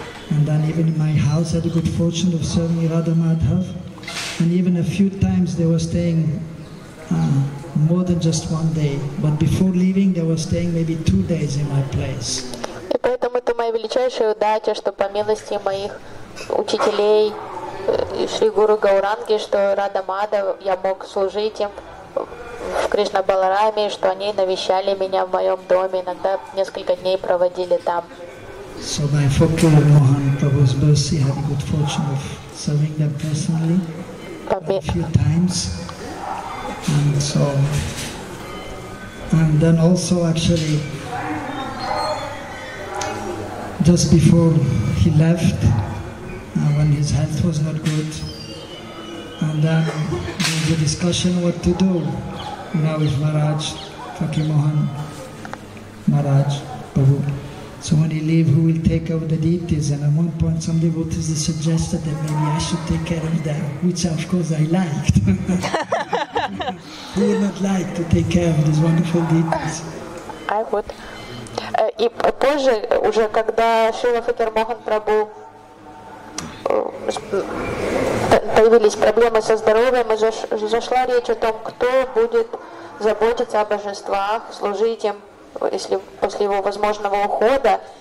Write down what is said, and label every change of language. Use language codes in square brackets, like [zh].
[en] And then even in my house I had the good fortune of serving Radha Madhav. And even a few times they were staying more than just one day. But before leaving they were staying maybe 2 days in my place. [ru] И поэтому это моя величайшая удача, что по милости моих учителей Шри Гуру Гауранги, что Радха Мадав, я мог служить им в Кришна Балараме, что они навещали меня в моем доме, иногда несколько дней проводили там. [en] So by Fakir Mohan Prabhu's mercy, I had the good fortune of serving them personally a few times. And so, and then also actually, just before he left, when his health was not good, and then there was a discussion what to do now with Maharaj, Fakir Mohan Maharaj Prabhu. So when he leave, who will take over the deities? And at one point some devotees suggested that maybe I should take care of them, which of course I liked. Who would not like to take care of these wonderful deities? I would. [ru] И позже, уже когда Шрила Факир Мохан Прабху появились проблемы со здоровьем, и зашла речь о том, кто будет заботиться о божествах, служить им, если после его возможного ухода.